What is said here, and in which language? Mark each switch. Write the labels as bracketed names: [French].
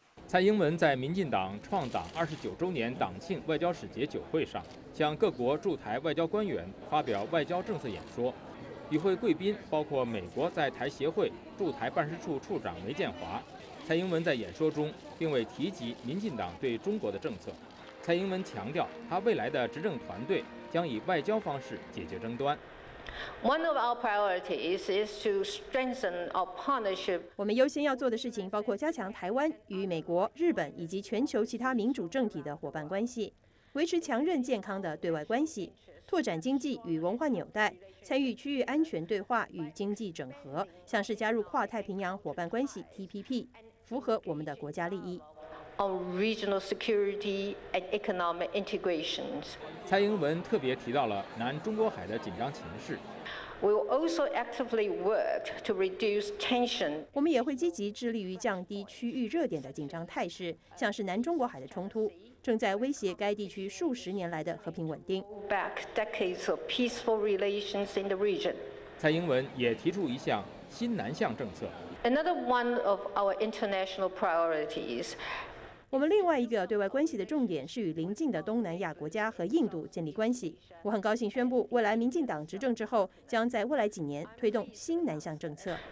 [Chinese] 蔡英文在民进党创党29周年党庆外交使节酒会上，向各国驻台外交官员发表外交政策演说。与会贵宾包括美国在台协会驻台办事处处长梅建华。蔡英文在演说中并未提及民进党对中国的政策。蔡英文强调，他未来的执政团队将以外交方式解决争端。 [English] One of our priorities is to strengthen our partnership. [Chinese] 我们优先要做的事情包括加强台湾与美国、日本以及全球其他民主政体的伙伴关系，维持强韧健康的对外关系，拓展经济与文化纽带，参与区域安全对话与经济整合，像是加入跨太平洋伙伴关系 TPP， 符合我们的国家利益。 [English] On regional security and economic integrations. [Chinese] 蔡英文特别提到了南中国海的紧张情势。 [English] We will also actively work to reduce tension. [Chinese] 我们也会积极致力于降低区域热点的紧张态势，像是南中国海的冲突正在威胁该地区数十年来的和平稳定。 [English] Back decades of peaceful relations in the region. [Chinese] 蔡英文也提出一项新南向政策。 [English] Another one of our international priorities. [Chinese] 我们另外一个对外关系的重点是与邻近的东南亚国家和印度建立关系。我很高兴宣布，未来民进党执政之后，将在未来几年推动新南向政策。